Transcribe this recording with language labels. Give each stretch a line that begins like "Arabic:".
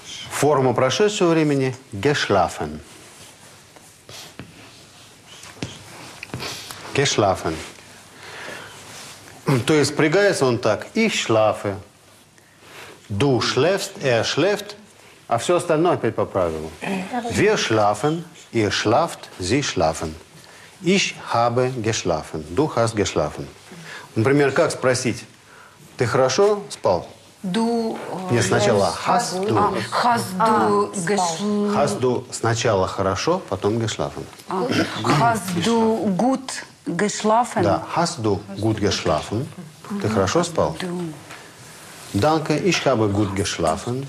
Russian: Форма прошедшего времени geschlafen.
German: Geschlafen.
Russian: То есть спрягается он так.
German: Ich schlafe. Du schläfst, schläft.
Russian: А все остальное опять по правилу.
German: Wir schlafen, ihr schlaft, sie schlafen. Ich habe geschlafen. Du hast geschlafen.
Russian: Например, как спросить? Ты хорошо спал?
German: Du...
Russian: Нет, сначала
German: hast du. Hast du geschlafen. Hast du
Russian: сначала хорошо, потом
German: geschlafen. Hast du gut geschlafen?
Russian: Да,
German: hast du gut geschlafen.
Russian: Ты хорошо спал?
German: Danke, ich habe gut geschlafen.